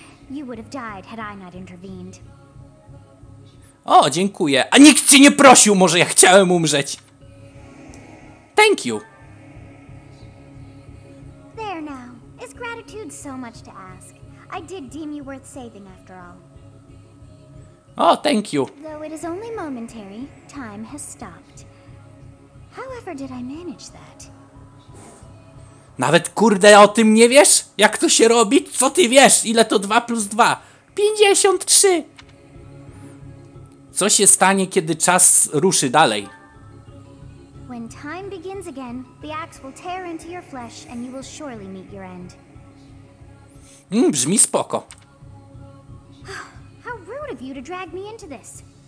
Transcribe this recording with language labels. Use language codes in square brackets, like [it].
[en] You would have died had I not intervened. [pl] O, dziękuję. A nikt cię nie prosił, może ja chciałem umrzeć. [en] Thank you. There now. Is gratitude so much to ask? I did deem you worth saving after all. O, thank you. Though it is only momentary, time has stopped. However did I manage that? [pl] Nawet kurde o tym nie wiesz? Jak to się robi? Co ty wiesz? Ile to 2 plus 2? 53! Co się stanie, kiedy czas ruszy dalej? [en] When time begins again, the axe will tear into your flesh and you will surely meet your end. [pl] Brzmi spoko. [en] How rude of you to drag me into this.